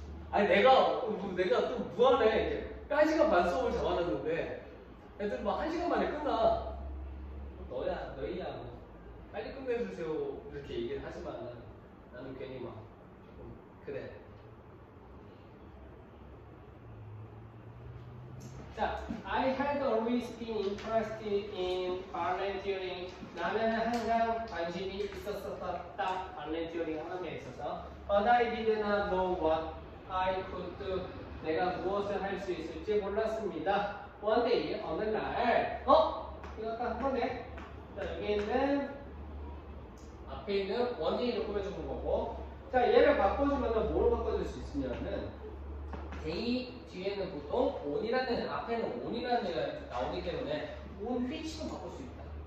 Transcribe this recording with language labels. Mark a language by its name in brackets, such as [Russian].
[Korean] 아니 내가 또 무한해. 한 시간 반 수업을 잡아놨는데 애들 막 한 시간 만에 끝나. 너희야 뭐 빨리 끝내주세요 이렇게 얘기를 하지만 나는 괜히 막 조금 그래. [English] 자, I had always been interested in volunteering. [Korean] 나는 항상 관심이 있었었다. Volunteering 하는 게 있어서. [English] But I did not know what I could do. [Korean] 내가 무엇을 할 수 있을지 몰랐습니다. [English] One day, [Korean] 어느 날. 어? 이거 딱 한 번에. 자, 여기 있는 앞에 있는 one day를 꾸며주는 거고. 자, 얘를 바꿔주면 뭐로 바꿔줄 수 있으냐면 day 뒤에는 보통 on이라는, 앞에는 on이라는 게 나오기 때문에 on which로 바꿀 수 있다.